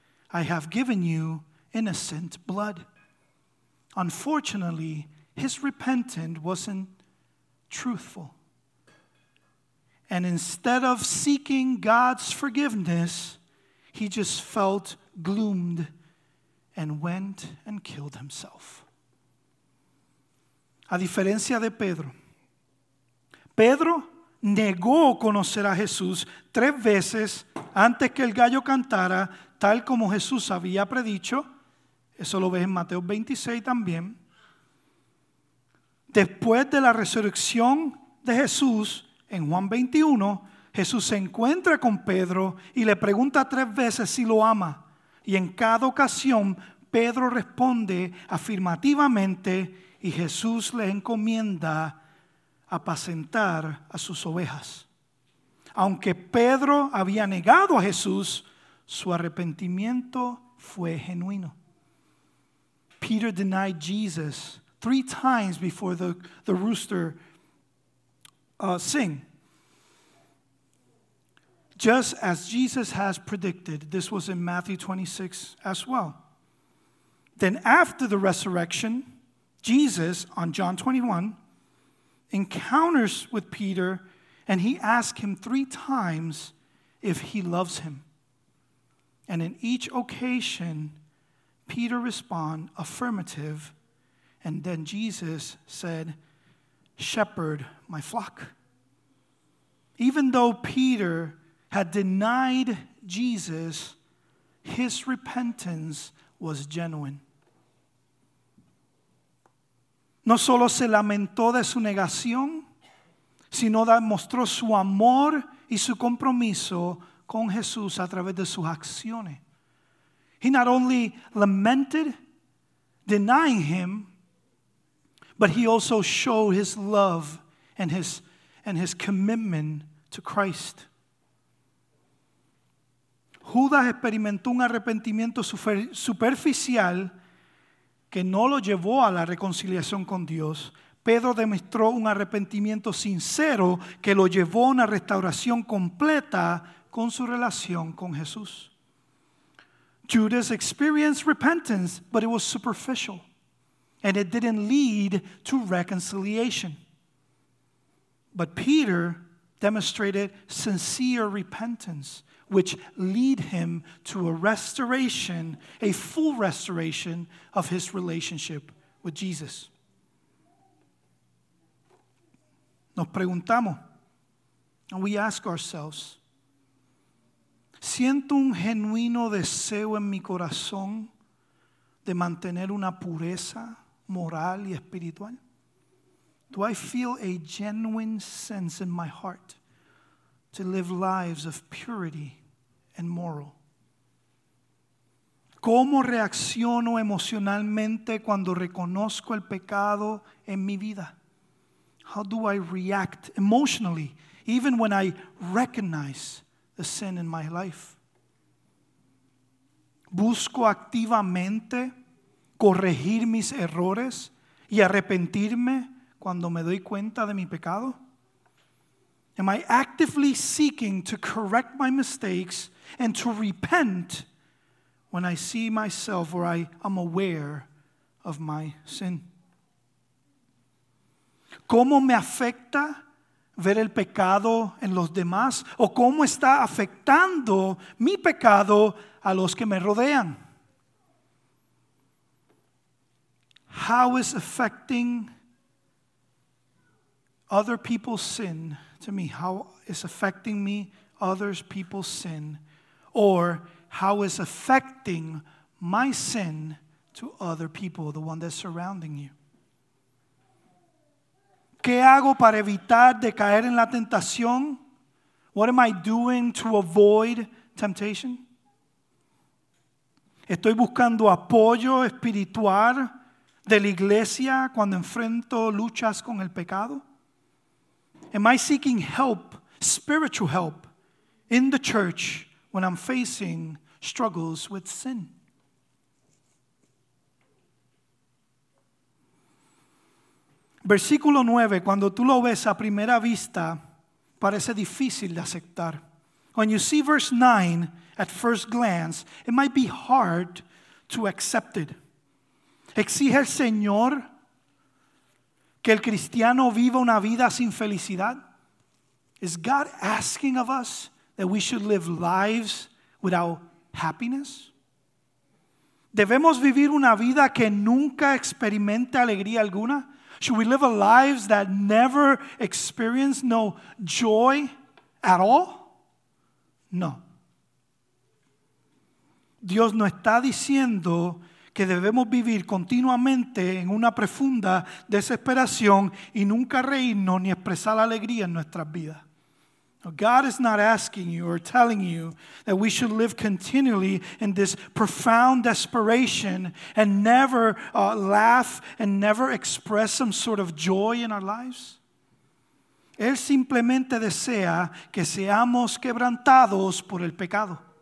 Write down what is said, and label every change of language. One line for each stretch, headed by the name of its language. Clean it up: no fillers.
English: I have given you innocent blood." Unfortunately, his repentance wasn't truthful. And instead of seeking God's forgiveness, he just felt gloomed and went and killed himself.
Spanish: A diferencia de Pedro, Pedro negó conocer a Jesús tres veces antes que el gallo cantara, tal como Jesús había predicho. Eso lo ves en Mateo 26 también. Después de la resurrección de Jesús, en Juan 21, Jesús se encuentra con Pedro y le pregunta tres veces si lo ama. Y en cada ocasión, Pedro responde afirmativamente y Jesús le encomienda apacentar a sus ovejas. Aunque Pedro había negado a Jesús, su arrepentimiento fue genuino.
English: Peter denied Jesus three times before the rooster sing. Just as Jesus has predicted, this was in Matthew 26 as well. Then after the resurrection, Jesus, on John 21, encounters with Peter, and he asks him three times if he loves him. And in each occasion, Peter responds affirmative, and then Jesus said, "Shepherd my flock." Even though Peter had denied Jesus, his repentance was genuine.
Spanish: No solo se lamentó de su negación, sino demostró su amor y su compromiso con Jesús a través de sus acciones.
English: He not only lamented denying him, but he also showed his love and his commitment to Christ.
Spanish: Judas experimentó un arrepentimiento superficial que no lo llevó a la reconciliación con Dios. Pedro demostró un arrepentimiento sincero que lo llevó a una restauración completa con su relación con Jesús.
English: Judas experienced repentance, but it was superficial, and it didn't lead to reconciliation. But Peter demonstrated sincere repentance, which lead him to a restoration, a full restoration of his relationship with Jesus.
Spanish: Nos preguntamos,
English: and we ask ourselves,
Spanish: ¿siento un genuino deseo en mi corazón de mantener una pureza moral y espiritual?
English: Do I feel a genuine sense in my heart to live lives of purity and moral?
Spanish: ¿Cómo reacciono emocionalmente cuando reconozco el pecado en mi vida?
English: How do I react emotionally, even when I recognize the sin in my life?
Spanish: ¿Busco activamente corregir mis errores y arrepentirme cuando me doy cuenta de mi pecado?
English: Am I actively seeking to correct my mistakes and to repent when I see myself or I am aware of my sin?
Spanish: ¿Cómo me afecta ver el pecado en los demás? ¿O cómo está afectando mi pecado a los que me rodean?
English: How is affecting other people's sin to me? How is affecting me other people's sin? Or how is affecting my sin to other people, the one that's surrounding you?
Spanish: ¿Qué hago para evitar de caer en la tentación?
English: What am I doing to avoid temptation?
Spanish: Estoy buscando apoyo espiritual de la iglesia cuando enfrento luchas con el pecado.
English: Am I seeking help, spiritual help, in the church when I'm facing struggles with sin?
Spanish: Versículo 9, cuando tú lo ves a primera vista, parece difícil de aceptar.
English: When you see verse 9 at first glance, it might be hard to accept it.
Spanish: ¿Exige el Señor que el cristiano viva una vida sin felicidad?
English: Is God asking of us that we should live lives without happiness?
Spanish: ¿Debemos vivir una vida que nunca experimente alegría alguna?
English: Should we live lives that never experience no joy at all?
Spanish: No. Dios no está diciendo que debemos vivir continuamente en una profunda desesperación y nunca reírnos ni expresar alegría en nuestras vidas.
English: God is not asking you or telling you that we should live continually in this profound desperation and never laugh and never express some sort of joy in our lives.
Spanish: Él simplemente desea que seamos quebrantados por el pecado.